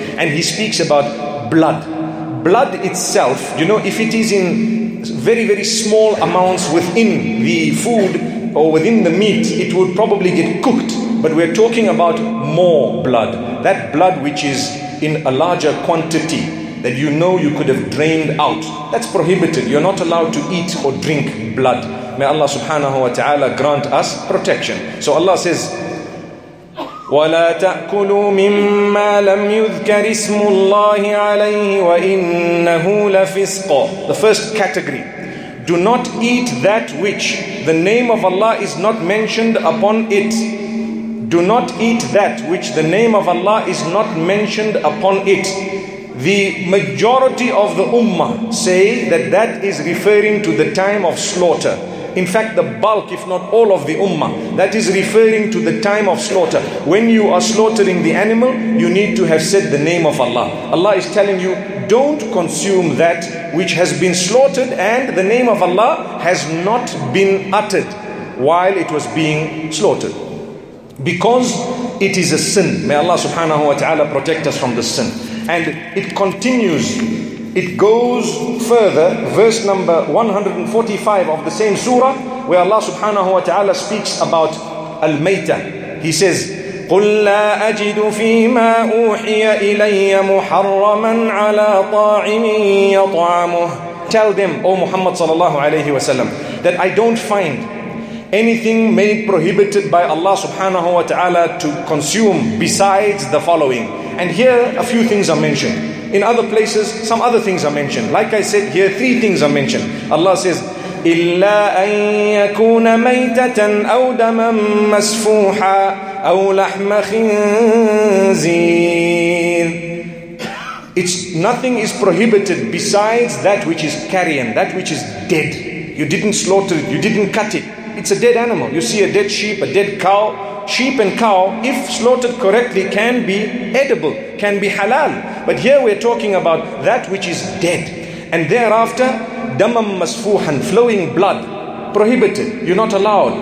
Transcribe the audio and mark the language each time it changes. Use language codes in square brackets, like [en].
[en] And he speaks about blood. Blood itself, you know, if it is in very, very small amounts within the food or within the meat, it would probably get cooked. But we're talking about more blood. That blood which is in a larger quantity that you know you could have drained out. That's prohibited. You're not allowed to eat or drink blood. May Allah subhanahu wa ta'ala grant us protection. [ar] So Allah says, وَلَا تَأْكُلُوا مِمَّا لَمْ يُذْكَرِ اسْمُ اللَّهِ عَلَيْهِ وَإِنَّهُ لَفِسْقًا. [en] The first category. Do not eat that which the name of Allah is not mentioned upon it. Do not eat that which the name of Allah is not mentioned upon it. The majority of the ummah say that that is referring to the time of slaughter. In fact, the bulk, if not all of the ummah, that is referring to the time of slaughter. When you are slaughtering the animal, you need to have said the name of Allah. Allah is telling you, don't consume that which has been slaughtered and the name of Allah has not been uttered while it was being slaughtered. Because it is a sin. May Allah subhanahu wa ta'ala protect us from this sin. And it continues. It goes further. Verse number 145 of the same surah, where Allah subhanahu wa ta'ala speaks about al-mayta. [ar] He says, قُلْ لَا أَجِدُ فِي مَا أُوحِيَ إِلَيَّ مُحَرَّمًا عَلَى طَاعِمٍ يَطْعَمُهُ. [en] Tell them, O Muhammad sallallahu alayhi wa sallam, that I don't find anything made prohibited by Allah subhanahu wa ta'ala to consume besides the following. And here a few things are mentioned. In other places, some other things are mentioned. Like I said, here three things are mentioned. [ar] Allah says, إِلَّا أَن يَكُونَ مَيْتَةً أَوْ دَمًا مَسْفُوحًا أَوْ لَحْمَ خِنْزِيرٍ. [en] It's nothing is prohibited besides that which is carrion, that which is dead. You didn't slaughter it, you didn't cut it. It's a dead animal. You see a dead sheep, a dead cow. Sheep and cow, if slaughtered correctly, can be edible, can be halal. But here we're talking about that which is dead. And thereafter, damam masfuhan, flowing blood, prohibited. You're not allowed.